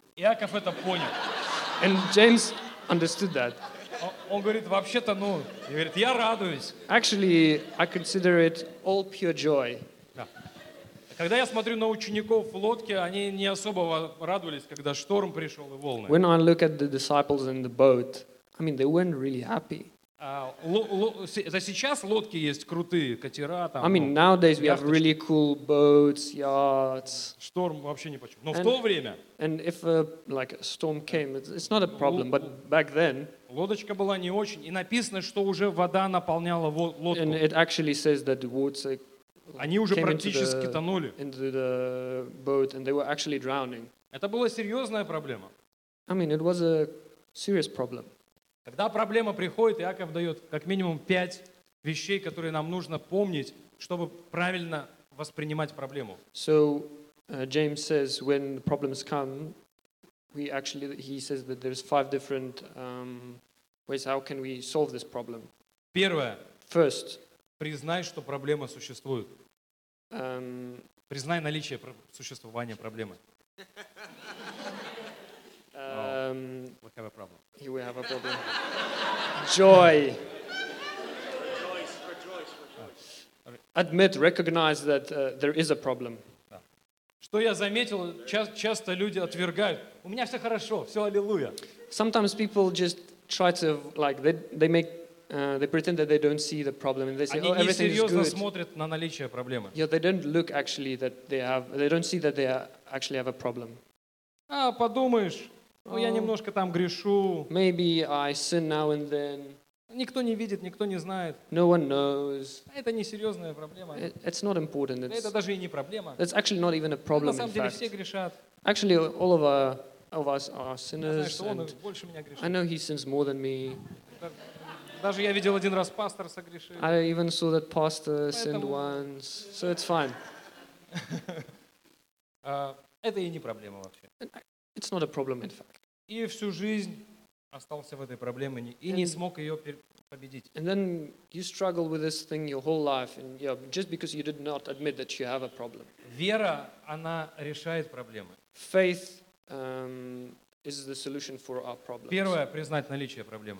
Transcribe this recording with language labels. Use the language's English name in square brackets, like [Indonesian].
[Russian] Иаков это понял. [English] And James understood that. [Russian] Он говорит, вообще-то, ну, говорит, я радуюсь. [English] Actually, I consider it all pure joy. [Russian] Да. Когда я смотрю на учеников в лодке, они не особо радовались, когда шторм пришел и волны. [English] When I look at the disciples in the boat, I mean, they weren't really happy. [Russian] За сейчас лодки есть крутые, катера там. [English] I mean, nowadays we have really cool boats, yachts. [Russian] Шторм вообще ни по чем. Но в то время... [English] And if like a storm came, it's not a problem, but back then... [Russian] Лодочка была не очень, и написано, что уже вода наполняла лодку. [English] And it actually says that the water [Russian] Они уже практически тонули. [English] Into the boat, and they were actually drowning. [Russian] Это была серьезная проблема. [English] I mean, it was a serious problem. [Russian] Когда проблема приходит, Иаков дает как минимум 5 вещей, которые нам нужно помнить, чтобы правильно воспринимать проблему. [English] So, James says, when the problems come, we actually, he says that there's 5 different ways how can we solve this problem. [Russian] Первое. [English] First. [Russian] Признай, что проблема существует. Признай наличие существования проблемы. [English] We have a problem. Here we have a problem. Joy. Admit, recognize that there is a problem. [Russian] Что я заметил, часто люди отвергают. У меня все хорошо, все аллилуйя. [English] Sometimes people just try to like they pretend that they don't see the problem and they say, oh, everything is good. [Russian] Они несерьезно смотрят на наличие проблемы. [English] Yeah, they don't look actually that they don't see that they actually have a problem. [Russian] А подумаешь. Ну, я немножко там грешу. [English] Maybe I sin now and then. [Russian] Никто не видит, никто не знает. [English] No one knows. [Russian] Это не серьезная проблема. [English] It's not important. [Russian] Это даже и не проблема. [English] It's actually not even a problem, in fact. [Russian] На самом деле все грешат. [English] Actually, all of us are sinners. [Russian] Я знаю, что он больше меня грешит. [English] I know he sins more than me. [Russian] Даже я видел один раз пастор согрешил. [English] I even saw that pastor sinned once. So it's fine. [Russian] Это и не проблема вообще. [English] It's not a problem, in fact. [Russian] И всю жизнь остался в этой проблеме и не смог ее победить. [English] And then you struggle with this thing your whole life, and you know, just because you did not admit that you have a problem. [Russian] Вера, она решает проблемы. [English] Faith is the solution for our problems. [Russian] Первое, признать наличие проблемы.